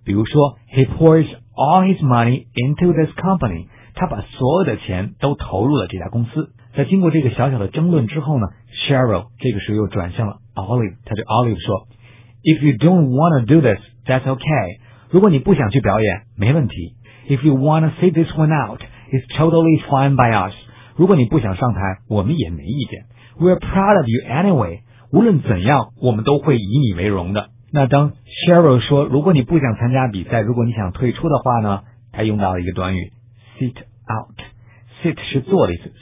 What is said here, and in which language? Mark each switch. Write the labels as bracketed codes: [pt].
[zh] 比如说 [en] He pours all his money into this company. [zh] 他把所有的钱都投入了这家公司。在经过这个小小的争论之后呢 Cheryl 这个时候又转向了 Olive. 他对 Olive 说 [en] If you don't want to do this, that's okay. [zh] 如果你不想去表演，没问题。 [en] If you want to sit this one out, it's totally fine by us. [zh] 如果你不想上台，我们也没意见。 [en] We're proud of you anyway. [zh] 无论怎样，我们都会以你为荣的。那当 Cheryl 说，如果你不想参加比赛，如果你想退出的话呢，他用到了一个短语 sit out. Sit 是坐的意思。